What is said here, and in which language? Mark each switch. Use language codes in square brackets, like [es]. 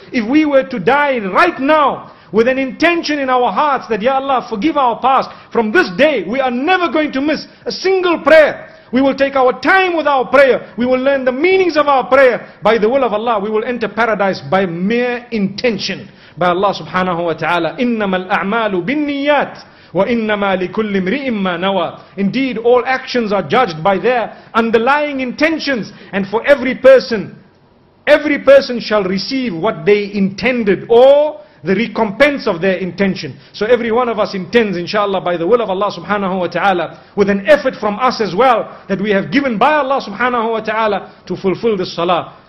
[en] If we were to die right now with an intention in our hearts that, Ya Allah, forgive our past, from this day we are never going to miss a single prayer. We will take our time with our prayer. We will learn the meanings of our prayer. By the will of Allah, we will enter paradise by mere intention. By Allah subhanahu wa ta'ala, [ar] إِنَّمَا الْأَعْمَالُ بِالنِّيَّاتِ وَإِنَّمَا لِكُلِّ امْرِئٍ مَّا نَوَى. [en] Indeed, all actions are judged by their underlying intentions. And for every person shall receive what they intended, or the recompense of their intention. So every one of us intends, inshallah, by the will of Allah subhanahu wa ta'ala, with an effort from us as well, that we have given by Allah subhanahu wa ta'ala, to fulfill this salah.